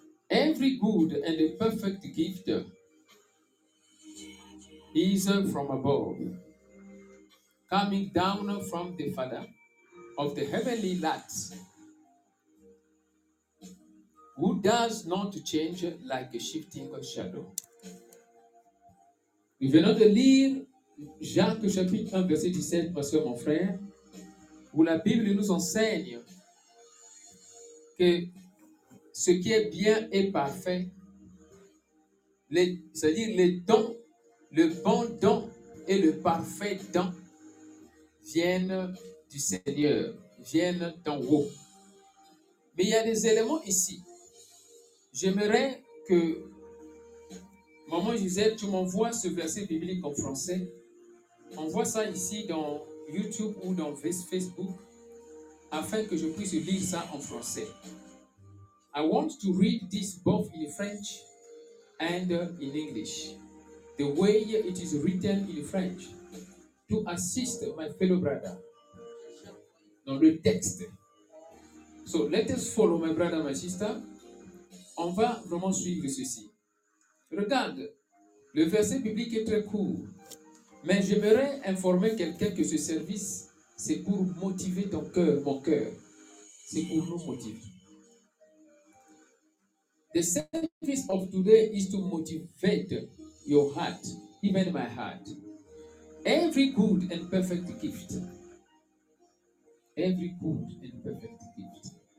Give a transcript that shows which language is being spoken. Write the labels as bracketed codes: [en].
[en] Every good and perfect gift is from above, coming down from the Father of the heavenly lights, who does not change like a shifting shadow. [fr] Nous venons de lire Jacques chapitre 1, verset 17, parce que mon frère, où la Bible nous enseigne que ce qui est bien et parfait, c'est-à-dire les dons, le bon don et le parfait don viennent du Seigneur, viennent d'en haut. Mais il y a des éléments ici. J'aimerais que Maman Gisèle, tu m'envoies ce verset biblique en français. On voit ça ici dans YouTube ou dans Facebook afin que je puisse lire ça en français. [en] I want to read this both in French and in English. The way it is written in French to assist my fellow brother [fr] dans le texte. [en] So let us follow my brother, my sister. [fr] On va vraiment suivre ceci. Regarde, le verset biblique est très court, mais j'aimerais informer quelqu'un que ce service, c'est pour motiver ton cœur, mon cœur. C'est pour nous motiver. [en] The service of today is to motivate your heart, even my heart. Every good and perfect gift. Every good and perfect gift.